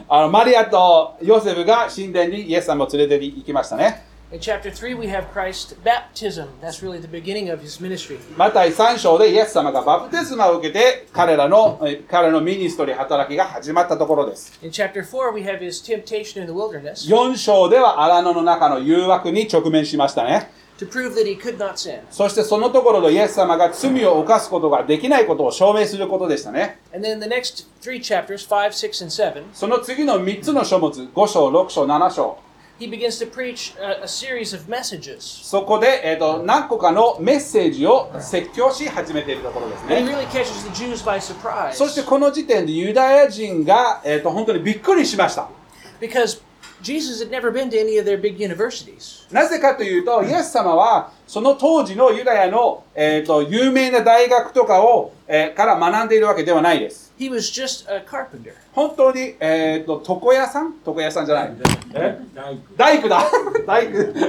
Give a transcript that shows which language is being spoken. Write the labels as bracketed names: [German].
[Japanese] マリアとヨセフが神殿にイエス様を連れて行きましたね。 [English] In chapter 3, we have Christ's baptism. That's really the beginning of his ministry. [Japanese] また3章でイエス様がバプテスマを受けて彼のミニストリー働きが始まったところです。 [English] In chapter 4, we have his temptation in the wilderness. [Japanese] 4章ではアラノの中の誘惑に直面しましたね。 [English] To prove that he could not sin. [Japanese] そしてそのところでイエス様が罪を犯すことができないことを証明することでしたね。 [English] And then the next three chapters, 5, 6, and 7, [Japanese] その次の3つの書物、5章、6章、7章。 [English] He begins to preach a series of messages. [Japanese] そこで、何個かのメッセージを説教し始めているところですね。 [English] And he really catches the Jews by surprise. [Japanese] そしてこの時点でユダヤ人が、本当にびっくりしました。 [English] Because Jesus had never been to any of their big universities. [Japanese] なぜかというと、イエス様はその当時のユダヤの、有名な大学とかを、から学んでいるわけではないです。 [English] He was just a carpenter. [Japanese] 本当に、床屋さん？床屋さんじゃない。大工だ。大工。